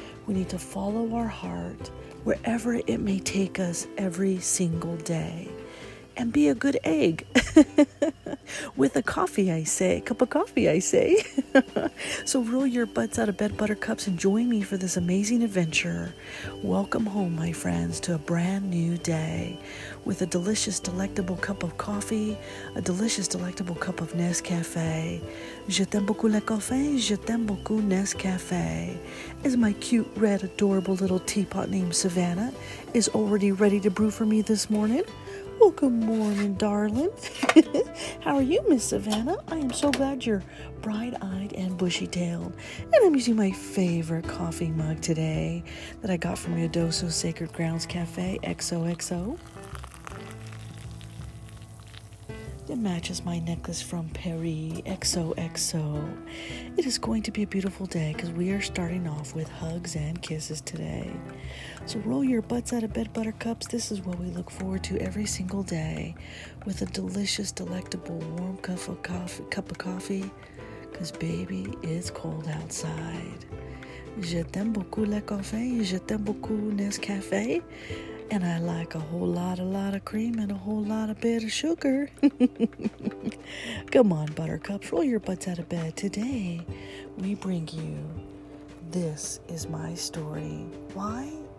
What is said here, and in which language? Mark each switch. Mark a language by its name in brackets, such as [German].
[English] We need to follow our heart wherever it may take us every single day and be a good egg with a coffee, I say, a cup of coffee, I say. So roll your butts out of bed, buttercups, and join me for this amazing adventure. Welcome home, my friends, to a brand new day with a delicious, delectable cup of coffee, a delicious, delectable cup of Nescafe. [French] Je t'aime beaucoup le café, je t'aime beaucoup Nescafe. [English] As my cute, red, adorable little teapot named Savannah is already ready to brew for me this morning. Well, good morning, darling. How are you, Miss Savannah? I am so glad you're bright-eyed and bushy-tailed. And I'm using my favorite coffee mug today that I got from Yodoso Sacred Grounds Cafe XOXO. It matches my necklace from Paris XOXO. It is going to be a beautiful day because we are starting off with hugs and kisses today. So roll your butts out of bed, buttercups. This is what we look forward to every single day with a delicious, delectable, warm cup of coffee because, baby, it's cold outside. [French] Je t'aime beaucoup le café. Je t'aime beaucoup Nescafe. [English] And I like a whole lot of cream and a whole lot of bit of sugar. Come on, buttercups, roll your butts out of bed. Today, we bring you This Is My Story. Why?